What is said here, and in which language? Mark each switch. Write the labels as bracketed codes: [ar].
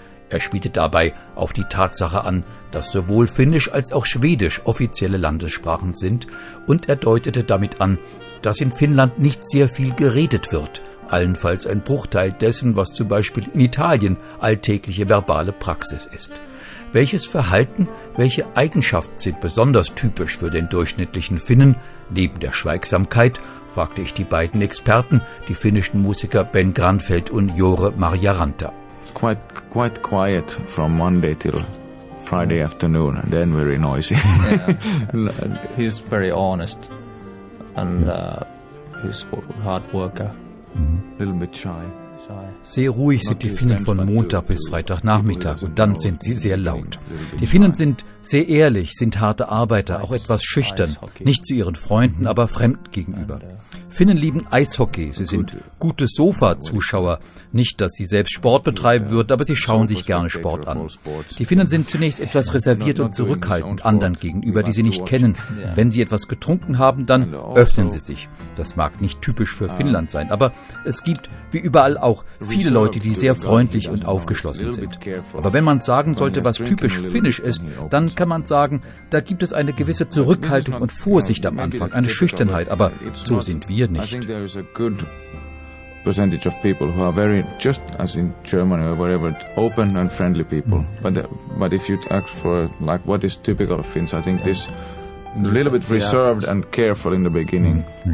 [de] Er spielte dabei auf die Tatsache an, dass sowohl Finnisch als auch Schwedisch offizielle Landessprachen sind, und er deutete damit an, dass in Finnland nicht sehr viel geredet wird, allenfalls ein Bruchteil dessen, was zum Beispiel in Italien alltägliche verbale Praxis ist. Welches Verhalten, welche Eigenschaft sind besonders typisch für den durchschnittlichen Finnen, neben der Schweigsamkeit, fragte ich die beiden Experten, die finnischen Musiker Ben Granfeld und Jore Marjaranta. [en] It's quite quiet from Monday till Friday afternoon, and then very noisy. Yeah. He's very honest and he's hard worker, a little bit shy. [de] Sehr ruhig sind die Finnen von Montag bis Freitagnachmittag und dann sind sie sehr laut. Die Finnen sind sehr ehrlich, sind harte Arbeiter, auch etwas schüchtern, nicht zu ihren Freunden, aber Fremden gegenüber. Finnen lieben Eishockey, sie sind gute Sofa-Zuschauer. Nicht, dass sie selbst Sport betreiben würden, aber sie schauen sich gerne Sport an. Die Finnen sind zunächst etwas reserviert und zurückhaltend anderen gegenüber, die sie nicht kennen. Wenn sie etwas getrunken haben, dann öffnen sie sich. Das mag nicht typisch für Finnland sein, aber es gibt, wie überall auch, viele Leute, die sehr freundlich und aufgeschlossen sind. Aber wenn man sagen sollte, was typisch finnisch ist, dann kann man sagen, da gibt es eine gewisse Zurückhaltung und Vorsicht am Anfang, eine Schüchternheit, aber so sind wir nicht. [en] Percentage of people who are very, just as in Germany or wherever, open and friendly people. But if you ask for, like, what is typical of Finns, I think this little bit reserved and careful in the beginning.